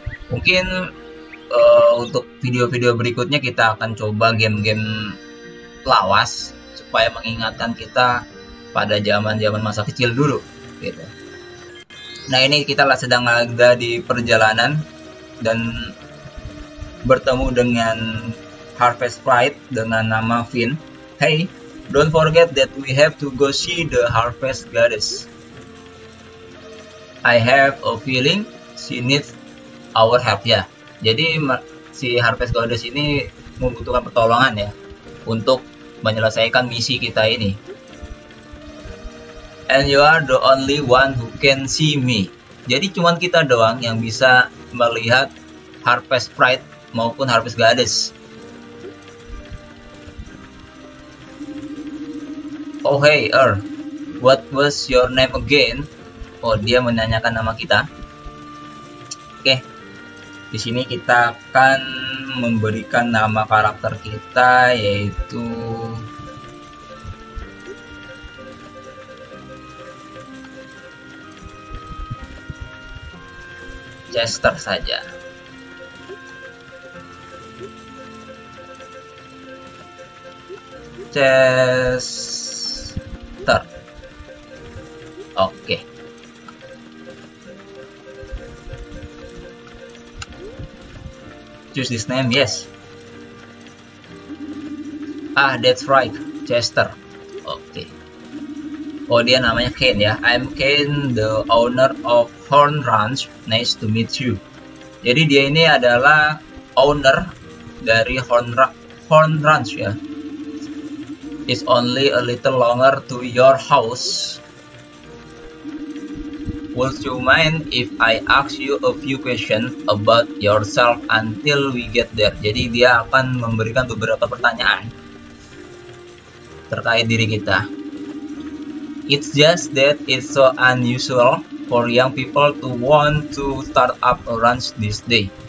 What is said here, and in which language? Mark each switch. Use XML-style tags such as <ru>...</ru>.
<id>Mungkin untuk video-video berikutnya kita akan coba game-game lawas supaya mengingatkan kita pada zaman-zaman masa kecil dulu gitu. Nah, ini kita sedang ada di perjalanan dan bertemu dengan Harvest Sprite dengan nama Finn.</id> <en>Hey, don't forget that we have to go see the Harvest Goddess. I have a feeling she needs our help ya.</en> <id>Jadi si Harvest Goddess ini membutuhkan pertolongan ya untuk menyelesaikan misi kita ini.</id> <en>And you are the only one who can see me.</en> <id>Jadi cuman kita doang yang bisa melihat Harvest Sprite maupun Harvest Goddess.</id> <en>Oh hey Earth, what was your name again?</en> <id>Oh, dia menanyakan nama kita. Oke, di sini kita akan memberikan nama karakter kita, yaitu Chester saja. Chester. Oke.</id> <en>Choose this name, yes. Ah, that's right,</en> <id>Chester. Oke. Oh, dia namanya Ken ya.</id> <en>I'm Ken, the owner of Horn Ranch. Nice to meet you.</en> <id>Jadi dia ini adalah owner dari Horn Ranch ya.</id> <en>is only a little longer to your house. Would you mind if I ask you a few questions about yourself until we get there?</en> <id>Jadi dia akan memberikan beberapa pertanyaan terkait diri kita.</id> <en>It's just that it's so unusual for young people to want to start up a ranch this day.</en>